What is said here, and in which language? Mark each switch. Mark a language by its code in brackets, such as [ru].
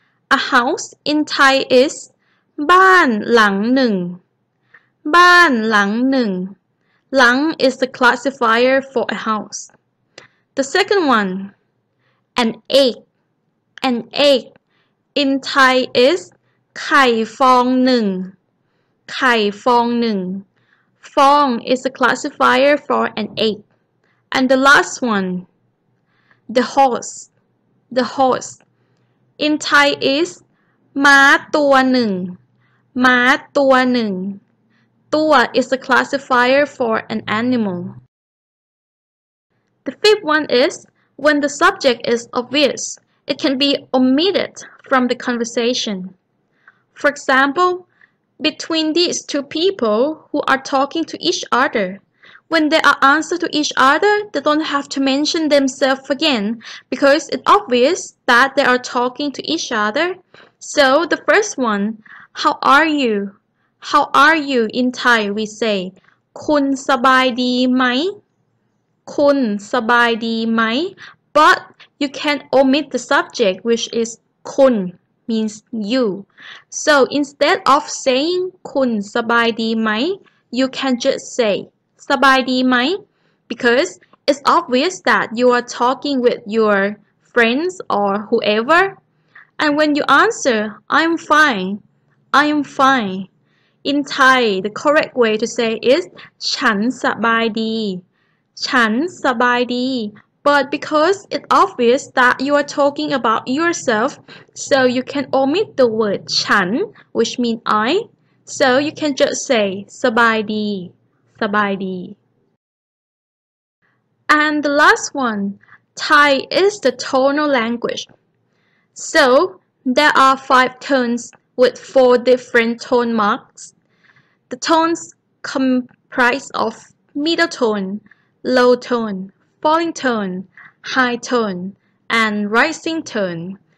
[en] A house in Thai is [th] บ้านหลังหนึ่ง. บ้านหลังหนึ่ง. [en] หลัง is the classifier for a house. The second one, an egg. An egg. In Thai is [th] ไข่ฟองหนึ่ง. [en] ไข่ฟองหนึ่ง. ฟอง is a classifier for an egg. And the last one, the horse. The horse. In Thai is [th] ม้าตัวหนึ่ง. ม้าตัวหนึ่ง. [en] ตัว is a classifier for an animal. The fifth one is when the subject is obvious, it can be omitted from the conversation. For example, between these two people who are talking to each other, when they are answer to each other, they don't have to mention themselves again because it's obvious that they are talking to each other. So the first one, how are you? How are you in Thai? We say, [th] คุณสบายดีไหม? คุณสบายดีไหม? [en] But you can omit the subject, which is Kun means you. So instead of saying [th] Kun sabai di mai, [en] you can just say [th] sabai di mai [en] because it's obvious that you are talking with your friends or whoever. And when you answer, I'm fine, I'm fine. In Thai, the correct way to say is [th] Chan sabai di, Chan sabai di. [en] But because it's obvious that you are talking about yourself, so you can omit the word ฉัน, which means I. So you can just say [th] สบายดี, สบายดี. [en] And the last one, Thai is the tonal language. So there are 5 tones with 4 different tone marks. The tones comprise of middle tone, low tone, falling tone, high tone, and rising tone.